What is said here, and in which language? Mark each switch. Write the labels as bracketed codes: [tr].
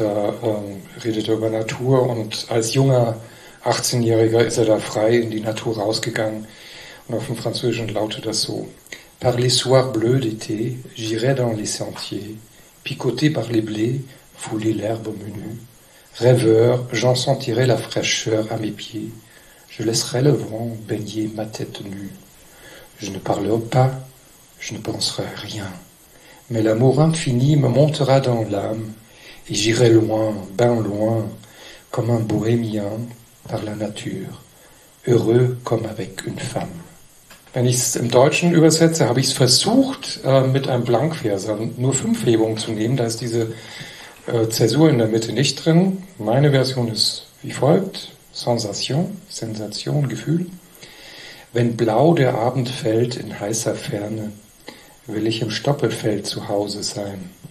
[de] Da redet er über Natur, und als junger 18-Jähriger ist er da frei in die Natur rausgegangen, und auf dem Französischen lautet das so: [fr] Par les soirs bleus d'été, j'irai dans les sentiers, picoté par les blés, fouler l'herbe menue. Rêveur, j'en sentirai la fraîcheur à mes pieds, je laisserai le vent baigner ma tête nue. Je ne parlerai pas, je ne penserai rien, mais l'amour infini me montera dans l'âme, et j'irai loin, ben loin, comme un bohémien, par la nature, heureux comme avec une femme. [de] Wenn ich es im Deutschen übersetze, habe ich es versucht, mit einem Blankvers, nur 5 Hebungen zu nehmen. Da ist diese Zäsur in der Mitte nicht drin. Meine Version ist wie folgt. Sensation, Sensation, Gefühl. Wenn blau der Abend fällt in heißer Ferne, will ich im Stoppelfeld zu Hause sein.